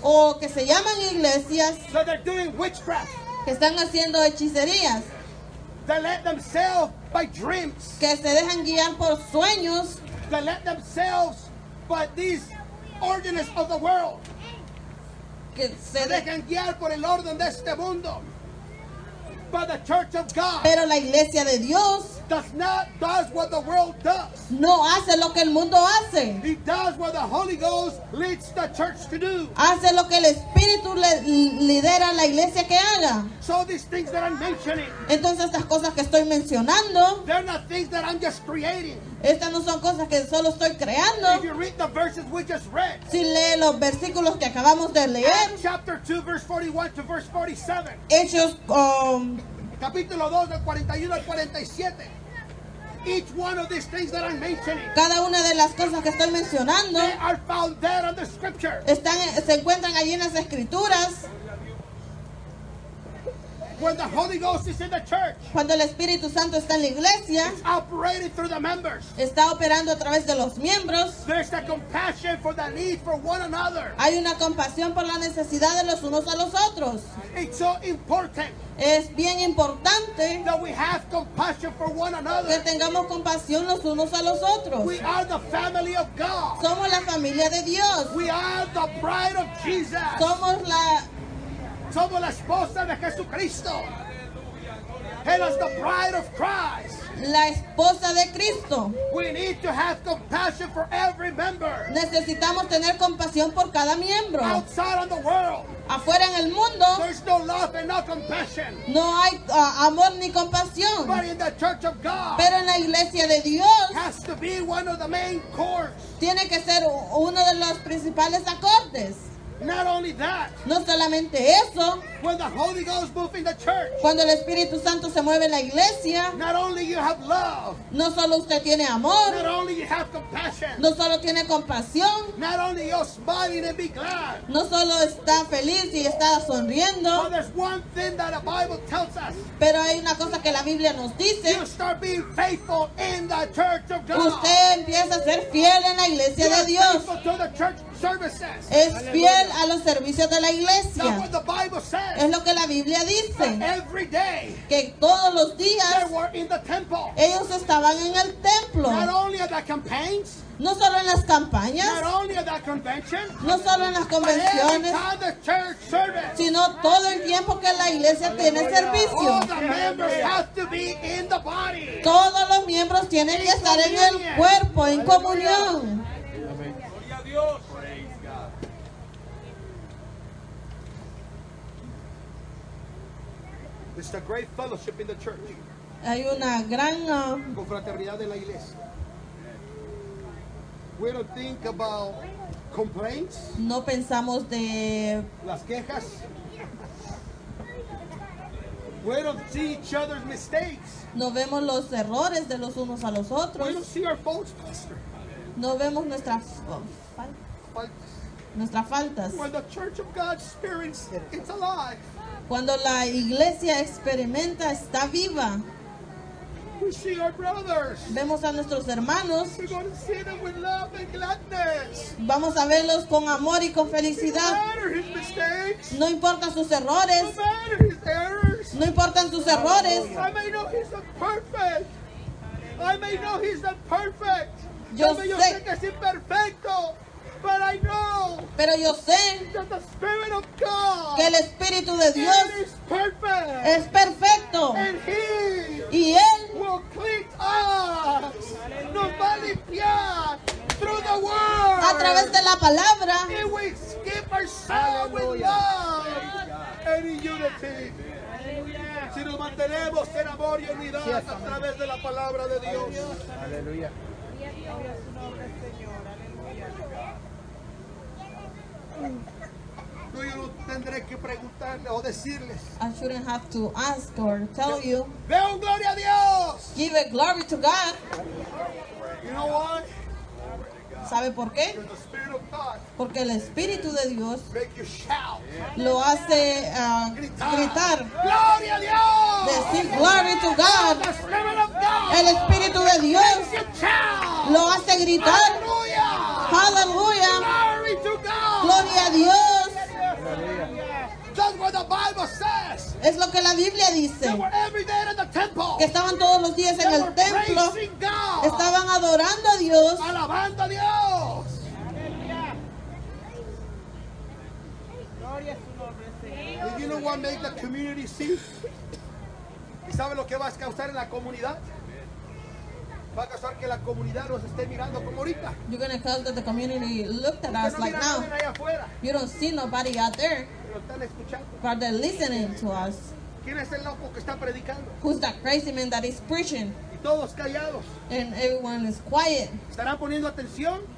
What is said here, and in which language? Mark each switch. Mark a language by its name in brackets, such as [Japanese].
[Spanish] o que se llaman iglesias, [English] so they're doing witchcraft, [Spanish] que están haciendo hechicerías, [English] they let themselves by dreams, [Spanish] que se dejan guiar por sueños, [English] they let themselves by these ordinances of the world, [Spanish] que se dejan guiar por el orden de este mundo. [English] By the church of God, [Spanish] pero la iglesia de Dios [English] does not does what the world does. [Spanish] No hace lo que el mundo hace. [English] He does what the Holy Ghost leads the church to do. [Spanish] Hace lo que el Espíritu lidera la iglesia que haga. [English] So these things that I'm mentioning, [Spanish] entonces estas cosas que estoy mencionando, [English] they're not things that I'm just creating. [Spanish] Estas no son cosas que solo estoy creando. [English] If you read the verses we just read, [Spanish] si lee los versículos que acabamos de leer, [English] Acts chapter 2 verse 41 to verse 47, [Spanish] Hechos capítulo 2 del 41 al 47, [English] each one of these things that I'm mentioning, [Spanish] cada una de las cosas que estoy mencionando, [English] they are found there in the scripture. [Spanish] Están, se encuentran allí en las escrituras. [English] When the Holy Ghost is in the church, [Spanish] cuando el Espíritu Santo está en la iglesia, [English] it's operating through the members. [Spanish] Está operando a través de los miembros. [English] There's a compassion for the need for one another. [Spanish] Hay una compasión por la necesidad de los unos a los otros. [English] It's so important. [Spanish] Es bien importante [English] that we have compassion for one another. [Spanish] Que tengamos compasión los unos a los otros. [English] We are the family of God. [Spanish] Somos la familia de Dios. [English] We are the bride of Jesus. [Spanish] Somos la esposa de Jesucristo. Aleluya, gloria. [English] He is the bride of Christ. [Spanish] La esposa de Cristo. [English] We need to have compassion for every member. [Spanish] Necesitamos tener compasión por cada miembro. [English] Outside on the world. [Spanish] Afuera en el mundo. [English] There's no love and no compassion. [Spanish] No hay amor ni compasión. [English] But in the church of God. [Spanish] Pero en la iglesia de Dios. [English] Has to be one of the main chords. [Spanish] Tiene que ser uno de los principales acordes. [English] Not only that. [Spanish] No solamente eso. [English] When the Holy Ghost moves in the church. [Spanish] Cuando el Espíritu Santo se mueve en la iglesia. [English] Not only you have love. [Spanish] No solo usted tiene amor. [English] Not only you have compassion. [Spanish] No solo tiene compasión. [English] Not only you're smiling and be glad. [Spanish] No solo está feliz y está sonriendo. [English] But there's one thing that the Bible tells us. [Spanish] Pero hay una cosa que la Biblia nos dice. [English] You start being faithful in the church of God. [Spanish] Usted empieza a ser fiel en la iglesia de Dios. [English] Services. [Spanish] Es fiel a los servicios de la iglesia. [English] That's what the Bible says. [Spanish] Es lo que la Biblia dice. [English] Every day, [Spanish] que todos los días [English] they were in the temple. [Spanish] Ellos estaban en el templo. [English] Not only at the campaigns, [Spanish] no solo en las campañas, [English] not only at the convention, [Spanish] no solo en las convenciones, [English] but every time the church service, [Spanish] sino todo el tiempo que la iglesia tiene servicio. [English] All the members have to be in the body. [Spanish] Todos los miembros tienen [English] in [Spanish] que estar [English] communion. [Spanish] En el cuerpo, en comunión. [English] Praise God. It's a great fellowship in the church. [Spanish] Hay una gran confraternidad de la iglesia. [English] We don't think about complaints. [Spanish] No pensamos de las quejas. [English] We don't see each other's mistakes. [Spanish] No vemos los errores de los unos a los otros. [English] We don't see our faults, Pastor. [Spanish] No vemos nuestras faltas. [English] When the Church of God experiences it, it's alive. [Spanish] Cuando la iglesia experimenta, está viva. [English] We see our brothers. [Spanish] Vemos a nuestros hermanos. [English] We're going to see them with love and gladness. [Spanish] Vamos a verlos con amor y con felicidad. [English] No matter his mistakes. [Spanish] No importa sus errores. [English] No matter his errors. [Spanish] No importan sus errores. [English] I may know he's not perfect. I may know he's not perfect. [Spanish] Yo sé que es imperfecto. [English] But I know, [Spanish] pero yo sé [English] that the Spirit of God, [Spanish] que el Espíritu de Dios [English] is perfect, [Spanish] es perfecto, [English] and he, [Spanish] y Él [English] will clean us, hallelujah, [Spanish] nos va a limpiar, [English] hallelujah, through the word, [Spanish] a través de la palabra, [English] and we skip ourselves, hallelujah, with love, hallelujah, and in unity, hallelujah, [Spanish] si nos mantenemos en amor y unidad, yes, a través de la palabra de Dios, aleluya. No, yo no tendré que preguntarle o decirles. [English] I shouldn't have to ask or tell you. [Spanish] Veo gloria a Dios. [English] Give a glory to God. You know why? [Spanish] ¿Sabe por qué? Porque el Espíritu de Dios lo hace gritar. Gloria a Dios. Decir [English] glory to God. [Spanish] El Espíritu de Dios lo hace gritar. Aleluya. [English] Glory to God. [Spanish] Gloria a Dios. [English] That's what the Bible says. [Spanish] Es lo que la Biblia dice. [English] They were every day in the temple. [Spanish] Que estaban todos los días en [English] they [Spanish] el templo. [English] Praising God. [Spanish] Estaban adorando a Dios. Alabando a Dios. Gloria a su nombre. [English] You know what makes the community see? [Spanish] ¿Y sabe lo que va a causar en la comunidad? Va a causar que la comunidad nos esté mirando como ahorita. [English] You're going to cause that the community looked at us like now. You don't see nobody out there. But they're listening to us. [Spanish] ¿Quién es el loco que está predicando? [English] Who's that crazy man that is preaching? [Spanish] Y todos callados. [English] And everyone is quiet. [Spanish] ¿Estarán poniendo atención?